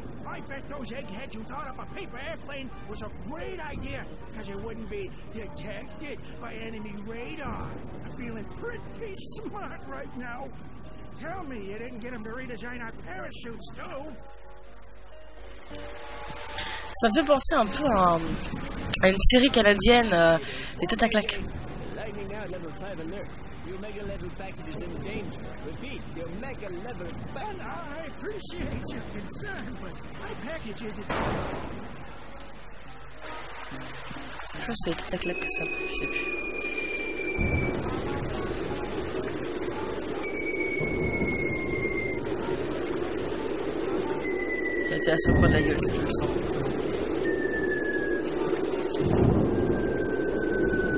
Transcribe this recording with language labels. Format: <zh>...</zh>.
<en>I bet those eggheads who thought up a paper airplane was a great idea, because it wouldn't be detected by enemy radar. I'm feeling pretty smart right now. Tell me you didn't get him to redesign our parachutes, too.</en> <fr>Ça me fait penser un peu à une série canadienne, les têtes à claques.</fr> <en>Lightning out, level 5 alert. Your mega level package is in danger. Repeat, your mega level package. I appreciate your concern, but my package is in danger.</en> <fr>Je crois que c'est les têtes à claques que ça, je sais plus. J'étais à ce coin de la gueule, c'est le sang.</fr>